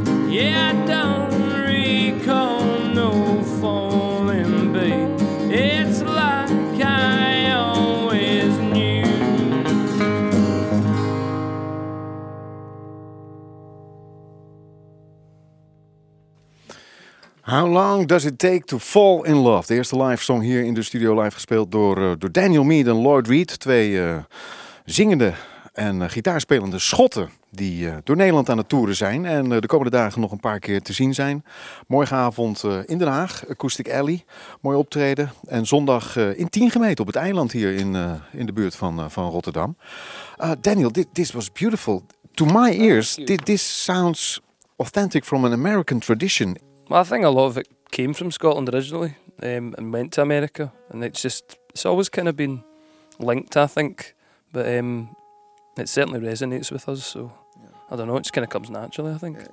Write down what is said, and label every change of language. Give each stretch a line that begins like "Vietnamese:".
English: Yeah, I don't recall no falling, babe. It's like I always knew. How long does it take to fall in love?
Dutch: De eerste live song hier in de studio live gespeeld door Daniel Meade en Lloyd Reid. Twee zingende en gitaarspelende Schotten die door Nederland aan het toeren zijn. En de komende dagen nog een paar keer te zien zijn. Morgenavond in Den Haag, Acoustic Alley. Mooi optreden. En zondag in Tiengemeten op het eiland hier in de buurt van Rotterdam.
English: Daniel, this was beautiful. To my ears, this sounds authentic from an American tradition. Well, I think a lot of it came from Scotland originally and went to America, and it's always kind of been linked, I think, but it certainly resonates with us, so yeah. I don't know, it just kind of comes naturally, I think.